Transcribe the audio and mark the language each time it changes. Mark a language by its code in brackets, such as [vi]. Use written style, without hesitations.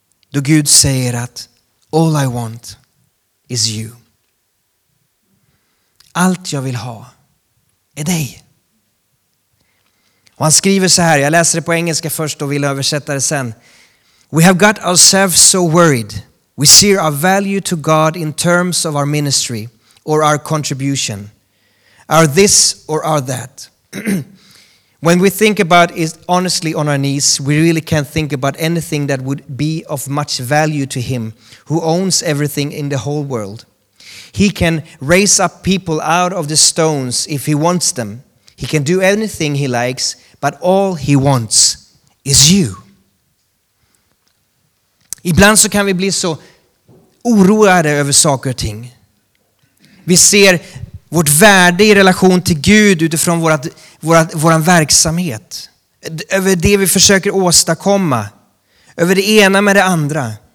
[sv] Då Gud säger att [en] all I want is you. [sv] Allt jag vill ha är dig. Och han skriver så här, jag läser det på engelska först och vill översätta det sen. [en] We have got ourselves so worried. We see our value to God in terms of our ministry or our contribution. Are this or are that? When we think about it honestly on our knees, we really can't think about anything that would be of much value to him who owns everything in the whole world. He can raise up people out of the stones if he wants them. He can do anything he likes, but all he wants is you. [sv] Ibland så kan vi bli så oroade över saker och ting. Vi ser vårt värde i relation till Gud utifrån våran verksamhet. Över det vi försöker åstadkomma. Över det ena med det andra.